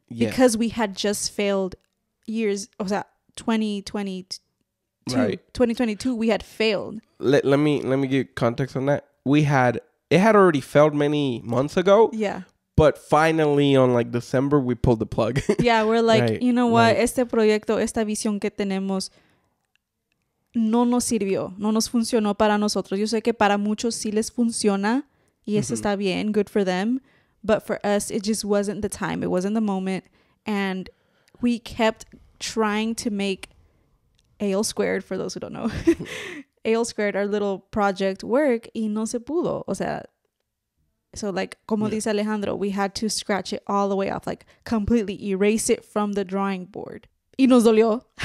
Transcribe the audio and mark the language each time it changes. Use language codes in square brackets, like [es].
[en] Yeah. Because we had just failed years... [es] O sea, [en] 2022. Right. 2022, we had failed. Let me give context on that. It had already failed many months ago. Yeah. But finally, on like December, we pulled the plug. Yeah, we're like, right. you know what? Right. [es] Este proyecto, esta visión que tenemos... No nos sirvió, no nos funcionó para nosotros. Yo sé que para muchos sí les funciona y eso mm-hmm. está bien, [en] good for them. But for us, it just wasn't the time, it wasn't the moment. And we kept trying to make AL squared, for those who don't know, AL squared, our little project work, [es] y no se pudo. [en] O sea, so like, como yeah. dice Alejandro, we had to scratch it all the way off, like completely erase it from the drawing board. [es] Y nos dolió.